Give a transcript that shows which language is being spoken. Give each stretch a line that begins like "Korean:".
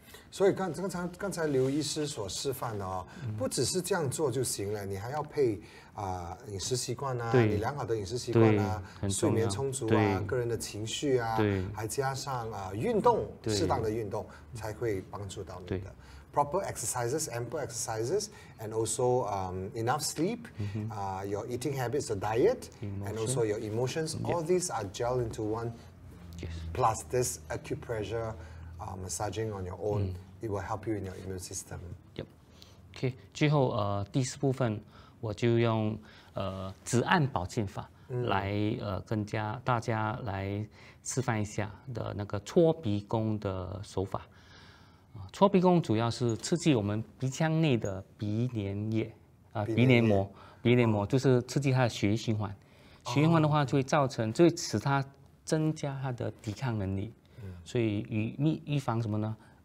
Chinese: 所以刚才刘医师所示范的不只是这样做就行了，你还要配饮食习惯啊，你良好的饮食习惯啊，睡眠充足啊，个人的情绪啊，还加上运动，适当的运动才会帮助到你的。
English: Proper exercises, ample exercises, and also enough sleep, your eating habits, the diet, and also your emotions, all these are gel into one. Yes. Plus this acupressure massaging on your own, it will help you in your immune system.
Chinese: Yep. Okay, 最后第四部分我就用子案保健法来跟大家来示范一下的那个搓鼻弓的手法。搓鼻弓主要是刺激我们鼻腔内的鼻粘液鼻粘膜，鼻粘膜就是刺激它的血液循环，循环的话就会造成，就会使它增加它的抵抗能力，所以预防什么呢？